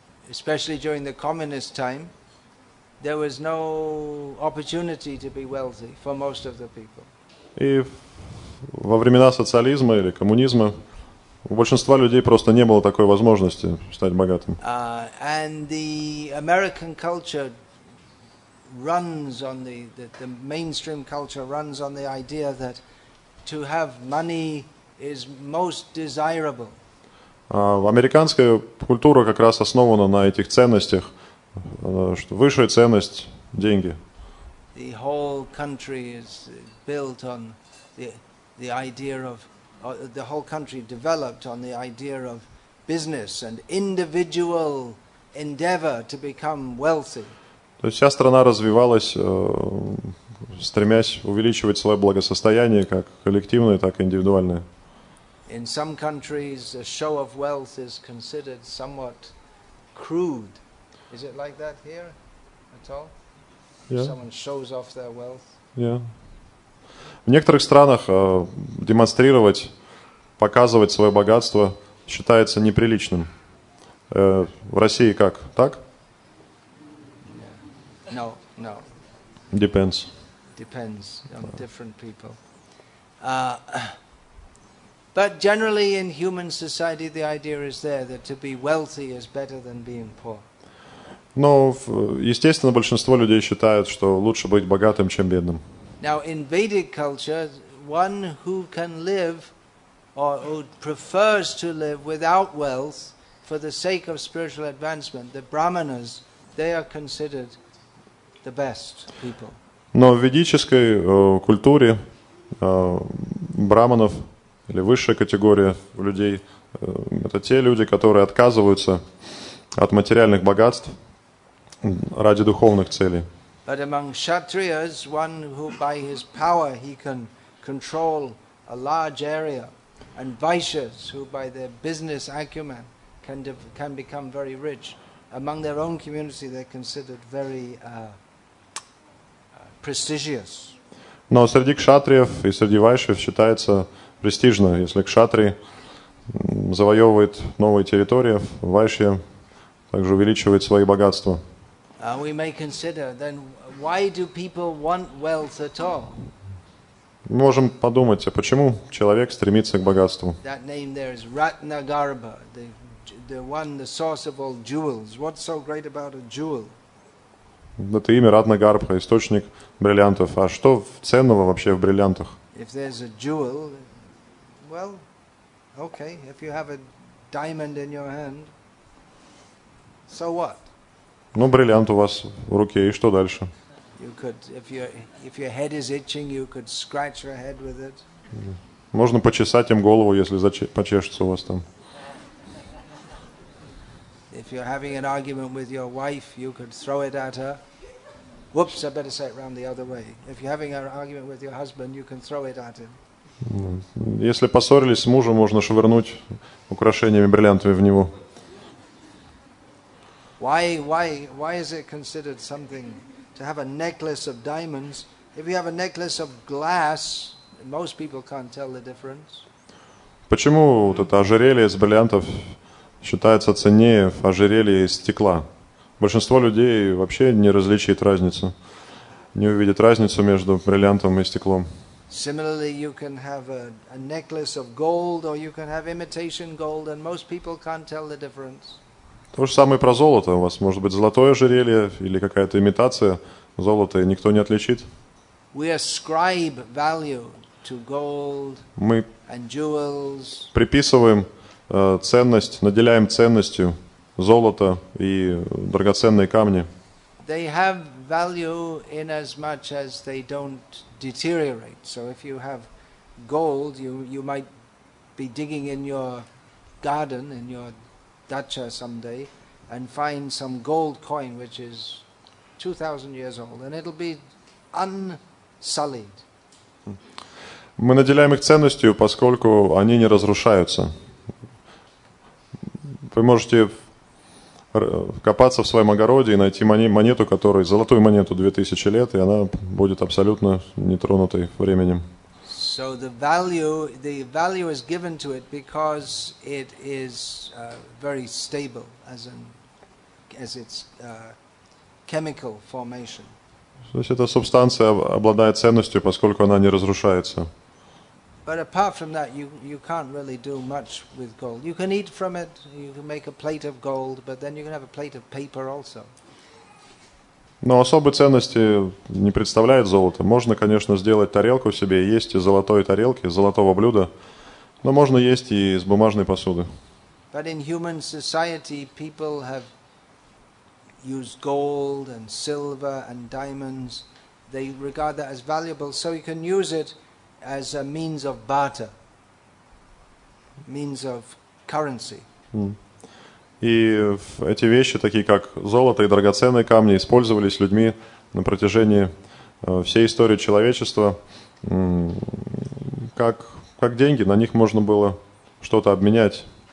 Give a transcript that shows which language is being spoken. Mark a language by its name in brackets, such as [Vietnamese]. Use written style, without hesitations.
[English] Especially during the communist time, there was no opportunity to be wealthy for most of the people. [Russian] И во времена социализма или коммунизма у большинства людей просто не было такой возможности стать богатым. [English] And the American culture runs on the mainstream culture runs on the idea that to have money is most desirable. [Russian] Американская культура как раз основана на этих ценностях, что высшая ценность – деньги. [English] The whole country is built on the idea of, the whole country developed on the idea of business and individual endeavor to become wealthy. [Russian] То есть вся страна развивалась, стремясь увеличивать свое благосостояние, как коллективное, так и индивидуальное. [English] In some countries, a show of wealth is considered somewhat crude. Is it like that here at all? Yeah. Someone shows off their wealth? Yeah. [Russian] В некоторых странах демонстрировать, показывать свое богатство считается неприличным. В России как? Так? [English] No. Depends on different people. But generally in human society the idea is there that to be wealthy is better than being poor. [Russian] Но естественно большинство людей считают, что лучше быть богатым, чем бедным. [English] Now in Vedic culture, one who can live or who prefers to live without wealth for the sake of spiritual advancement, the brahmanas, they are considered the best people. [Russian] Но в ведической культуре брахманов или высшая категория людей это те люди, которые отказываются от материальных богатств ради духовных целей. [English] But among kshatriyas, one who by his power he can control a large area, and vaishyas who by their business acumen can become very rich. Among their own community, they're considered very prestigious. [Russian] Но среди кшатриев и среди вайшев считается престижно, если кшатрий завоевывает новые территории, вайшья также увеличивает свои богатства. [English] We may consider then why do people want wealth at all? [Russian] Мы можем подумать, а почему человек стремится к богатству? [English] That name there is Ratnagarbha, the one, the source of all jewels. What's so great about a jewel? [Russian] Это имя Ратнагарбха, источник бриллиантов. А что ценного вообще в бриллиантах? [English] If there's a jewel, well, okay. If you have a diamond in your hand, so what? [Russian] Ну, бриллиант у вас в руке, и что дальше? [English] You could, if your head is itching, you could scratch your head with it. [Russian] Можно почесать им голову, если почешется у вас там. [English] If you're having an argument with your wife, you could throw it at her. Whoops, I better say it round the other way. If you're having an argument with your husband, you can throw it at him. [Russian] Если поссорились с мужем, можно швырнуть украшениями, бриллиантами в него. [English] Why is it considered something to have a necklace of diamonds? If you have a necklace of glass, most people can't tell the difference. [Russian] Почему вот это ожерелье из бриллиантов считается ценнее ожерелье из стекла? Большинство людей вообще не различит разницу, не увидит разницу между бриллиантом и стеклом. [English] Similarly, you can have a necklace of gold, or you can have imitation gold, and most people can't tell the difference. [Russian] То же самое про золото. У вас может быть золотое ожерелье или какая-то имитация золота, и никто не отличит. [English] We ascribe value to gold and jewels. [Russian] Мы приписываем ценность, наделяем ценностью золото и драгоценные камни. [English] They have value in as much as they don't deteriorate. So if you have gold, you might be digging in your garden, in your dacha someday, and find some gold coin which is 2000 years old, and it'll be unsullied. [Russian] Мы наделяем их ценностью, поскольку они не разрушаются. Вы можете копаться в своем огороде и найти монету, которая золотую монету 2000 лет, и она будет абсолютно нетронутой временем. [English] So the value is given to it because it is very stable as its chemical formation. [Russian] То есть эта субстанция обладает ценностью, поскольку она не разрушается. [English] But apart from that, you can't really do much with gold. You can eat from it, you can make a plate of gold, but then you can have a plate of paper also. [Russian] Но особой ценности не представляет золото. Можно, конечно, сделать тарелку себе, есть из золотой тарелки, золотого блюда, но можно есть и из бумажной посуды. [English] But in human society, people have used gold and silver and diamonds. They regard that as valuable, so you can use it as a means of barter, means of currency. [Russian] И эти вещи, такие как золото и драгоценные камни, использовались людьми на протяжении всей истории человечества как деньги. На них можно было что-то обменять.